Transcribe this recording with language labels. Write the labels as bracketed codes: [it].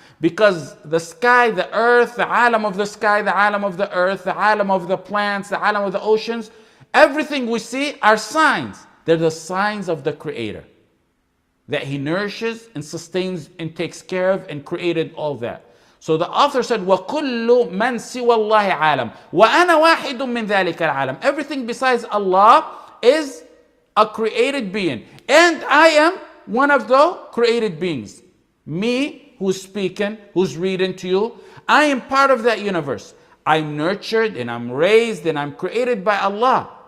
[en] Because the sky, the earth, the alam of the sky, the alam of the earth, the alam of the plants, the alam of the oceans, everything we see are signs. They're the signs of the Creator, that He nourishes and sustains and takes care of and created all that. So the author said, [ar] وَكُلُّ مَنْ سِوَى اللَّهِ عَالَمٌ وَأَنَا وَاحِدٌ مِّنْ ذَلِكَ الْعَالَمِ. [en] Everything besides Allah is a created being. And I am one of those created beings. Me, who's speaking, who's reading to you, I am part of that universe. I'm nurtured and I'm raised and I'm created by Allah.